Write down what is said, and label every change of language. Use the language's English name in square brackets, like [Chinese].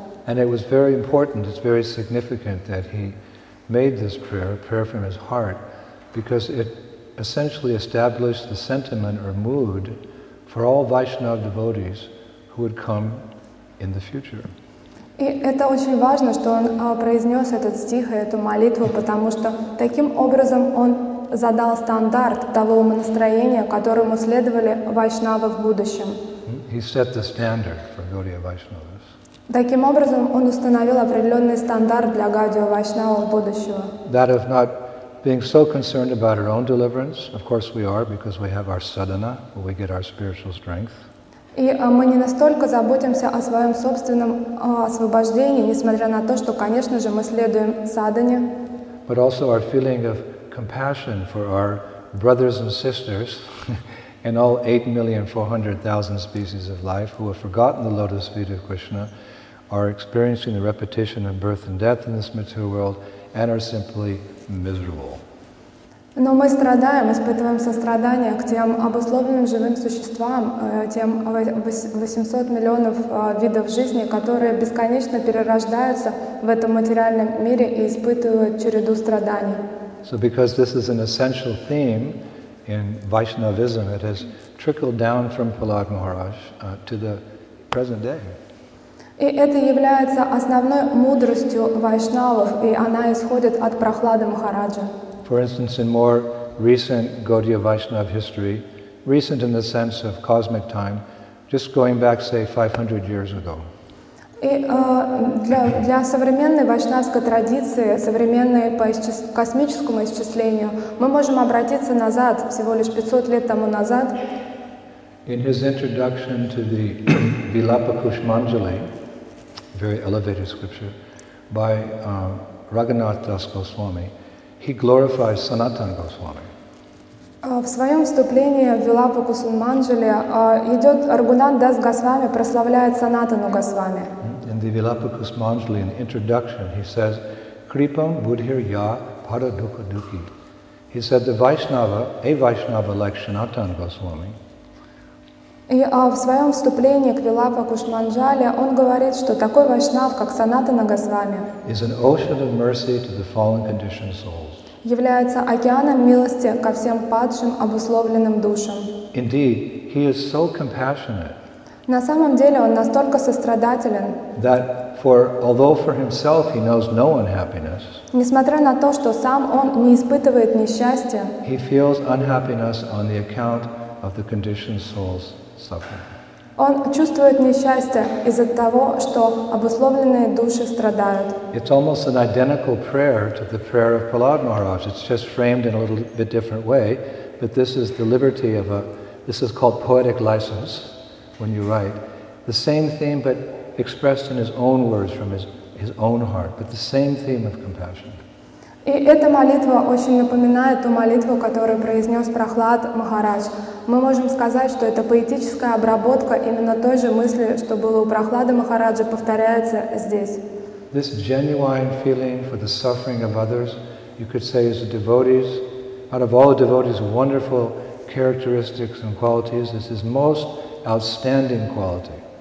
[English] And it was very important, it's very significant that he made this prayer, a prayer from his heart, because it essentially established the sentiment or mood for all Vaishnava devotees who would come in the future. [Russian] И это очень важно, что он произнес этот стих и эту молитву, потому что таким образом он задал стандарт того умонастроения, которому следовали вайшнавы в будущем. [English] He set the standard for Gaudiya Vaishnavas. [Russian] Таким образом, он установил определенный стандарт для Гаудия Вайшнавов будущего. [English] That of not being so concerned about our own deliverance. Of course we are, because we have our sadhana, where we get our spiritual strength. [Russian] И мы не настолько заботимся о своем собственном освобождении, несмотря на то, что, конечно же, мы следуем садхане. [English] But also our feeling of compassion for our brothers and sisters and all 8,400,000 species of life who have forgotten the lotus feet of Krishna, are experiencing the repetition of birth and death in this material world, and are simply miserable. [Russian] Но мы страдаем, испытываем сострадание к тем обусловленным живым существам, тем 800 миллионов видов жизни, которые бесконечно перерождаются в этом материальном мире и испытывают череду страданий. [English] So because this is an essential theme in Vaishnavism, it has trickled down from Prahlad Maharaj to the present day. [Russian] И это является основной мудростью вайшнавов, и она исходит от Прохлады Махараджа. [English] For instance, in more recent Gaudiya Vaishnav history, recent in the sense of cosmic time, just going back, say, 500 years ago. [Russian] И для современной вайшнавской традиции, современной по космическому исчислению, мы можем обратиться назад, всего лишь 500 лет тому назад. [English] In his introduction to the Vilapakushmanjali, very elevated scripture, by Raghunath Das Goswami, he glorifies Sanatana Goswami. [Russian] В своем вступлении в Вилапакусманджали идет Рагунат Дас Госвами, прославляет Санатану Госвами. [English] In the Vilapakusmanjali, in the introduction, he says, [Sanskrit] Kripam Budhir Ya Paradukha Duki. [English] He said the Vaishnava, a Vaishnava like Sanatana Goswami. [Russian] И в своем вступлении к Вилапакушманджали он говорит, что такой вайшнав, как Санатана Госвами, [English] is an ocean of mercy to the fallen conditioned souls. [Russian] Является океаном милости ко всем падшим обусловленным душам. [English] Indeed, he is so compassionate. [Russian] На самом деле он настолько сострадателен. [English] That for although for himself he knows no unhappiness. [Russian] Несмотря на то, что сам он не испытывает несчастья. [English] He feels unhappiness on the account of the conditioned soul's suffering. [Russian] Он чувствует несчастье из-за того, что обусловленные души страдают. [English] It's almost an identical prayer to the prayer of Prahlad Maharaj. It's just framed in a little bit different way, but this is the liberty of a. This is called poetic license when you write the same theme, but expressed in his own words from his own heart, but the same theme of compassion. [Russian] И эта молитва очень напоминает ту молитву, которую произнес Прохлад Махарадж. Мы можем сказать, что это поэтическая обработка именно той же мысли, что было у Прохлада Махараджа, повторяется здесь. [English] This genuine feeling for the suffering of others, you could say, is a devotee's, out of all the devotees' wonderful characteristics and qualities, this is most outstanding quality.